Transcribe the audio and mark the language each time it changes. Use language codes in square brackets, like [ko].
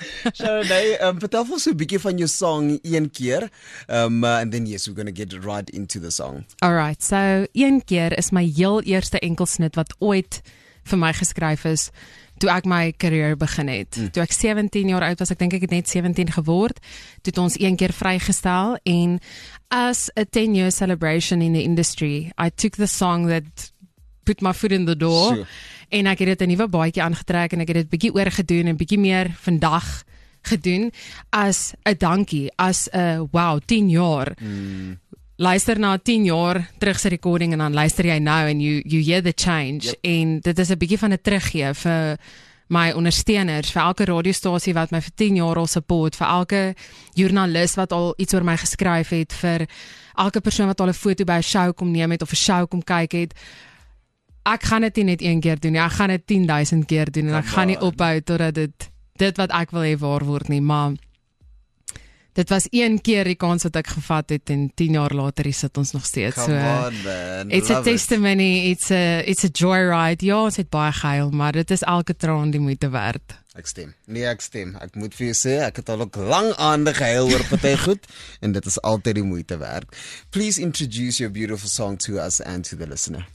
[af] Sharonai, vertel ons so 'n bietjie van jou song Een Keer. [en] And then yes, we're going to get right into the song. All right. So, [af] Een Keer is my heel eerste enkelsnit wat ooit vir my geskryf is toe ek my karier begin het. Toe ek 17 jaar oud was, ek dink ek het net 17 geword, toe het ons Een Keer vrygestel en [en] as a 10-year celebration in the industry, I took the song that put my foot in the door. Sure. [af] En ek het dit 'n nuwe baadjie aangetrek en ek het dit bietjie oorgedoen en bietjie meer vandag gedoen as 'n dankie, as 'n wow, 10 jaar. Luister na 10 jaar terug se recording en dan luister jy nou en [en] you hear the change. Yep. [af] En dit is 'n bietjie van 'n teruggee vir my ondersteuners, vir elke radiostasie wat my vir 10 jaar al support, vir elke joernalis wat al iets oor my geskryf het, vir elke persoon wat al 'n foto by 'n show kom neem het of 'n show kom kyk het. Ek gaan dit nie net een keer doen nie, ek gaan dit 10,000 keer doen en ek gaan nie ophou totdat dit wat ek wil hê waar word nie, maar dit was een keer die kans wat ek gevat het en 10 jaar later sit ons nog steeds. [en] Come so, on, man. It's love a testimony, it's a joyride. [af] Ja, ons het baie gehuil, maar dit is elke traan die moeite werd. Ek stem. Nee, ek stem. Ek moet vir jou sê, ek het al ook lang aande gehuil oor party goed en dit is altyd die moeite werd. [en] Please introduce your beautiful song to us and to the listener.